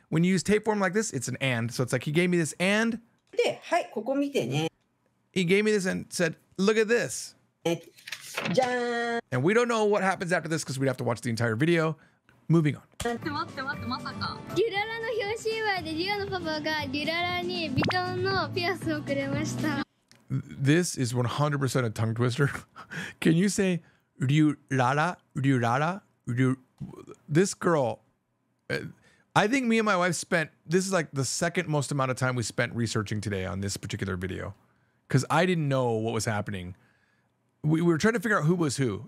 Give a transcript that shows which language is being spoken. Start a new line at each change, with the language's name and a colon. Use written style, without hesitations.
English: When you use tape form like this, it's an and. So it's like, he gave me this and.
Japanese: で、はい、ここ見てね。
English: He gave me this and said, look at this.
Japanese: じゃん。
English: And we don't know what happens after this because we'd have to watch the entire video. Moving on.
Japanese: 待って、まさか。デュララの表紙祝いでリオのパパがデュララにヴィトンのピアスをくれました。
English: This is 100% a tongue twister. Can you say
Japanese: リュララ、リュララ、リュ
English: This girl, I think me and my wife spent, this is like the second most amount of time we spent researching today on this particular video. Because I didn't know what was happening. We were trying to figure out who was who.